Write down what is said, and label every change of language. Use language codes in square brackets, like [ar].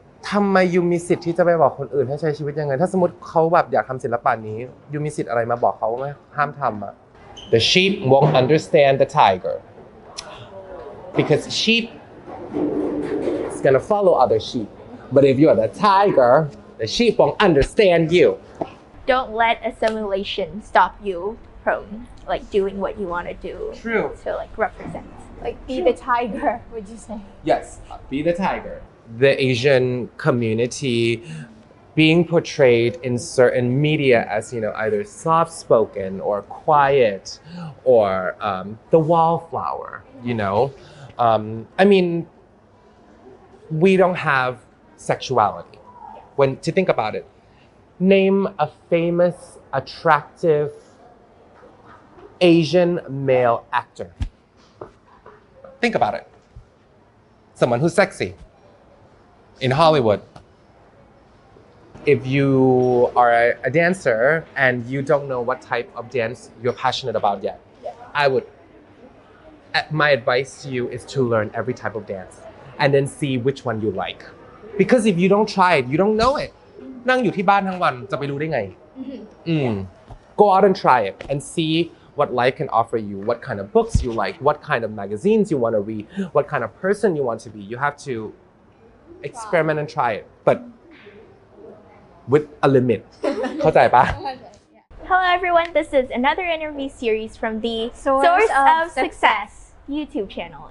[th] ทำไมยูมีสิทธิ์ที่จะไปบอกคนอื่นให้ใช้ชีวิตยังไงถ้าสมมติเขาแบบอยากทำศิลปะนี้ยูมีสิทธิ์อะไรมาบอกเขาไหมห้ามทำอ่ะ [en] The sheep won't understand the tiger because sheep is gonna follow other sheep but if you are the tiger the sheep won't understand you Don't let assimilation stop you from like doing what you want to do True to like representLike, be the tiger, would you say? Yes, be the tiger. The Asian community being portrayed in certain media as, you know, either soft-spoken or quiet or the wallflower, you know? I mean, we don't have sexuality. When, to think about it, name a famous, attractive Asian male actor. Think about it. Someone who's sexy in Hollywood. If you are a dancer and you don't know what type of dance you're passionate about yet, I would, my advice to you is to learn every type of dance and then see which one you like. Because if you don't try it, you don't know it. [th] นั่งอยู่ที่บ้านทั้งวันจะไปรู้ได้ไง [en] Go out and try it and see. What life can offer you, what kind of books you like, what kind of magazines you want to read, what kind of person you want to be. You have to experiment and try it, but with a limit. Hello everyone, this is another interview series from the Source of Success YouTube channel.